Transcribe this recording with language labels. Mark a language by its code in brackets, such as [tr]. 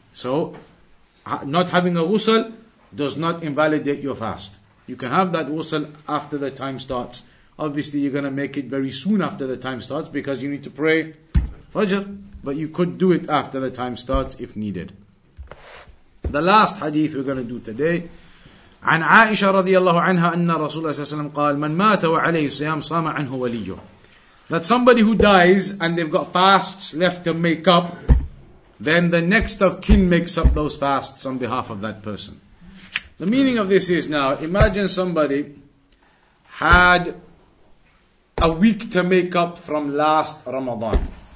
[en] So not having a ghusl does not invalidate your fast. You can have that ghusl after the time starts. Obviously, you're going to make it very soon after the time starts because you need to pray Fajr. But you could do it after the time starts if needed. The last hadith we're going to do today. [ar] عن عائشة رضي الله عنها أن رسول الله صلى الله عليه وسلم قال من مات وعليه الصيام صام عنه وليه. [en] That somebody who dies and they've got fasts left to make up, then the next of kin makes up those fasts on behalf of that person. The meaning of this is now, imagine somebody had a week to make up from last Ramadan.